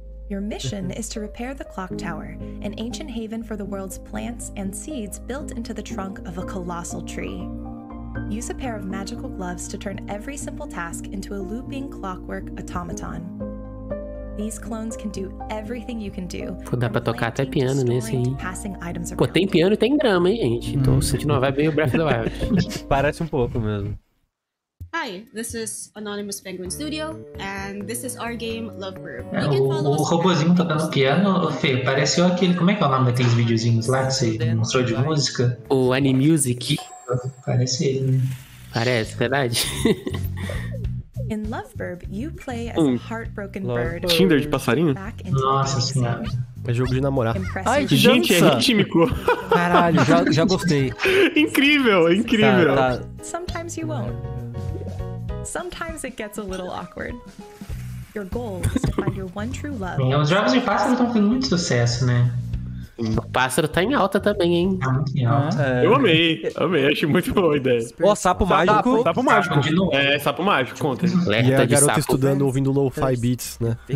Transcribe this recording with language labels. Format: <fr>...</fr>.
<en>Your mission is to repair the clock tower, an ancient haven for the world's plants and seeds built into the trunk of a colossal tree. Use a pair of magical gloves to turn every simple task into a looping clockwork automaton. These clones can do everything you can do.</en> <pt>Pô, dá pra tocar até piano nesse aí. Pô, tem piano e tem drama, hein, gente. Tô sentindo uma vibe meio Breath of the Wild. Parece um pouco mesmo.</pt> <en>Hi, this is Anonymous Penguin Studio, and this is our game, Love Brew.</en> <pt>O robôzinho tocando piano, Fê, pareceu aquele... Como é que é o nome daqueles videozinhos lá que você mostrou de música? O Animusic. Parece ele, né? Parece, verdade.</pt> <en>In Loveburb, you play as a heartbroken bird.</en> <pt>Tinder de passarinho? Nossa senhora. É jogo de namorar. Ai, que gente, dança. É rítmico. Caralho, já gostei. Incrível, incrível. Tá.</pt> <en>Sometimes you won't. Sometimes it gets a little awkward. Your goal is to find your one true love.</en> <pt>Bem, os jogos de pássaro estão tendo muito sucesso, né? O pássaro tá em alta também, hein? Tá muito em alta. Eu amei, acho muito boa a ideia. Ó, sapo mágico. Sapo mágico. Sapo mágico, conta. E a garota estudando, ouvindo lo-fi beats, né?</pt>